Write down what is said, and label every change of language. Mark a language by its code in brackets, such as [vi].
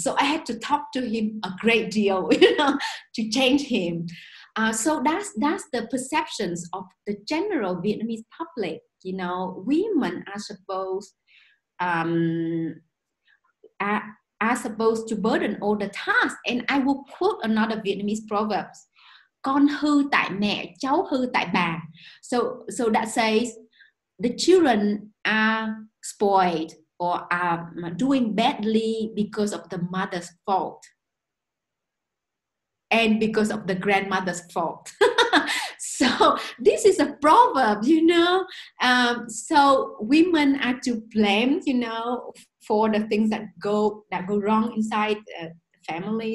[en] So I had to talk to him a great deal, you know, to change him. So that's the perceptions of the general Vietnamese public. You know, women are supposed to burden all the tasks. And I will quote another Vietnamese proverb. [vi] Con hư tại mẹ, cháu hư tại bà. [en] So that says, the children are spoiled or are doing badly because of the mother's fault and because of the grandmother's fault. So this is a proverb, you know. So women are to blame, you know, for the things that go wrong inside the family.